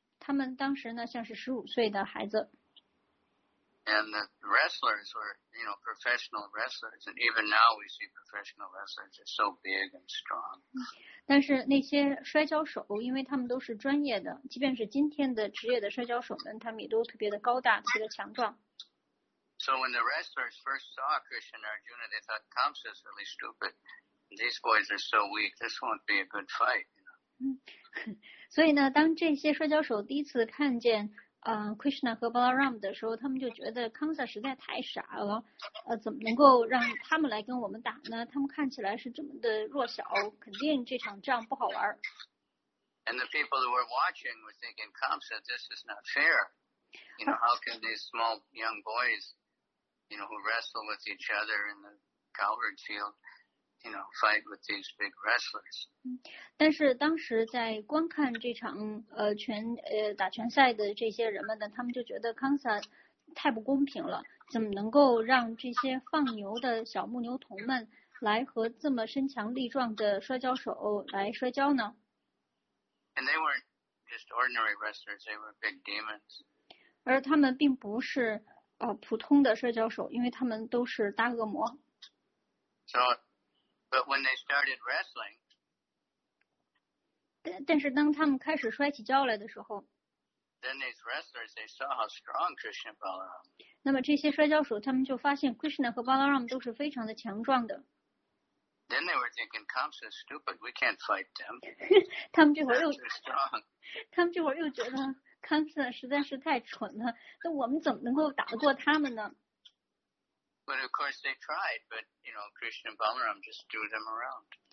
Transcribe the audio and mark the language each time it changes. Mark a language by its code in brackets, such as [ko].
[zh] 他们当时呢像是15岁的孩子。 [en] And the wrestlers were, you know, professional wrestlers. And even now we see professional wrestlers are so big and strong. [zh] 但是那些摔跤手，因为他们都是专业的，即便是今天的职业的摔跤手们，他们也都特别的高大，特别的强壮。 [en] So when the wrestlers first saw Krishna Arjuna, they thought Kamsa is really stupid. These boys are so weak. This won't be a good fight. [zh] 所以呢，当这些摔跤手第一次看见Krishna 和 Balaram 的时候，他们就觉得 Kamsa 实在太傻了。怎么能够让他们来跟我们打呢？他们看起来是这么的弱小，肯定这场仗不好玩。 [en] And the people who were watching were thinking, Kamsa, this is not fair. You know, how can these small young boys, you know, who wrestle with each other in the cowherd field, you know, fight with these big wrestlers? [zh] 但是当时在观看这场打拳赛的这些人们呢，他们就觉得 Kamsa 太不公平了，怎么能够让这些放牛的小牧牛童们来和这么身强力壮的摔跤手来摔跤呢？ [en] And they weren't just ordinary wrestlers, they were big demons. [zh] 而他们并不是普通的摔跤手，因为他们都是大恶魔。 [en] So, but when they started wrestling, [zh] 但是当他们开始摔起跤来的时候， [en] then these wrestlers, they saw how strong Krishna and Balaram. [zh] 那么这些摔跤手他们就发现 Krishna 和 Balaram 都是非常的强壮的。 [en] Then they were thinking, Kamsa is stupid, we can't fight them. [zh] 他们这会儿又觉得 Kamsa 实在是太蠢了，那我们怎么能够打得过他们呢？ [en] But of course they tried, but you know, Krishna and Balaram just threw them around.